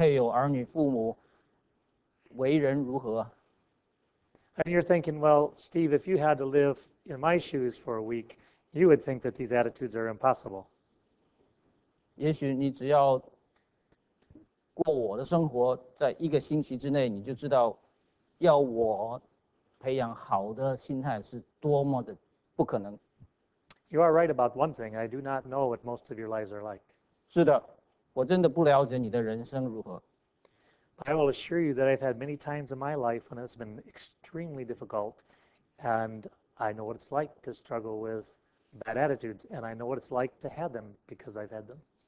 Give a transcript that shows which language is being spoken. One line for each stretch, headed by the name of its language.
Chinese: 你也许根本不知道我的健康的问题，我的上司、我的同事、我配偶、儿女、父母，为人如何？
English: And you're thinking, well, Steve, if you had to live in my shoes for a week, you would think that these attitudes are impossible.
Chinese: 也许你只要过我的生活，在一个星期之内，你就知道要我培养好的心态是多么的不可能。
English: You are right about one thing. I do not know what most of your lives are like.
Chinese: 是的，我真的不了解你的人生如何。
English: But I will assure you that I've had many times in my life when it's been extremely difficult, and I know what it's like to struggle with bad attitudes, and I know what it's like to have them because I've had them.